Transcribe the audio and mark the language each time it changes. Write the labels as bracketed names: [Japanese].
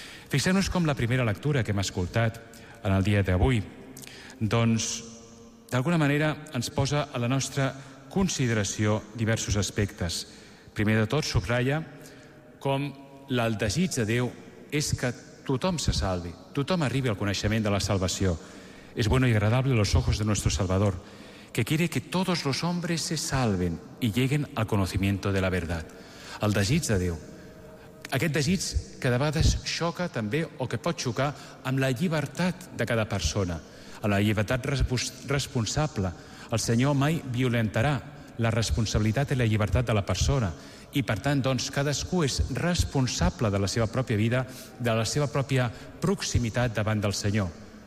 [Catalan] Fixem-nos com la primera lectura que hem escoltat en el dia d'avui, doncs d'alguna manera ens posa a la nostra consideració diversos aspectes. Primer de tot, subratlla com el desig de Déu és que tothom se salvi, tothom arribi al coneixement de la salvació. [Spanish] És bueno y agradable a los ojos de nuestro Salvador, que quiere que todos los hombres se salven y lleguen al conocimiento de la verdad. [Catalan] El desig de Déu. Aquest desig que de vegades xoca també, o que pot xocar, amb la llibertat de cada persona, amb la llibertat responsable. El Senyor mai violentarà la responsabilitat i la llibertat de la persona. I per tant, doncs, cadascú és responsable de la seva pròpia vida, de la seva pròpia proximitat davant del Senyor.